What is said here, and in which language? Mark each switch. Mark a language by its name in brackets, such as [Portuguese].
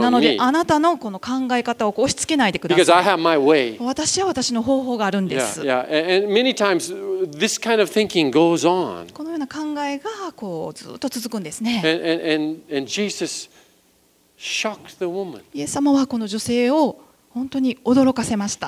[Japanese] なのであなたのこの考え方を押し付けないでください。 [English] Because I have my way. [Japanese] 私は私の方法があるんです。 [English] Yeah. And many times this kind of thinking goes on. [Japanese] このような考えがこうずっと続くんですね。 [English] And Jesus shocked the woman. [Japanese] イエス様はこの女性を本当に驚かせました。